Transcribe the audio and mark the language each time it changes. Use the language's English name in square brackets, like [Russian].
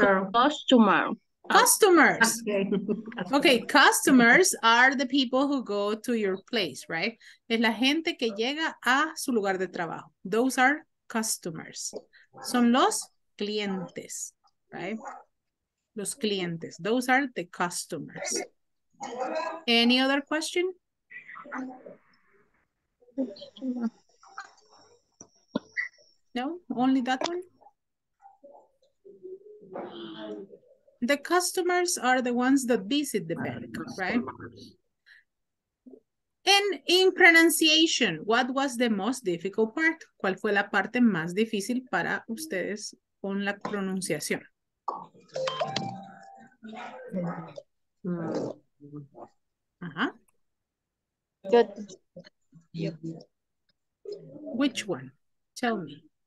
[English] Customers. Okay, customers are the people who go to your place, right? [Spanish] Es la gente que llega a su lugar de trabajo. [English] Those are customers. [Spanish] Son los clientes, right? Los clientes. [English] Those are the customers. Any other question? No, only that one? The customers are the ones that visit the bank, right? In pronunciation, what was the most difficult part? [Spanish] ¿Cuál fue la parte más difícil para ustedes con la pronunciación? Uh-huh. [English] Which one? Tell me.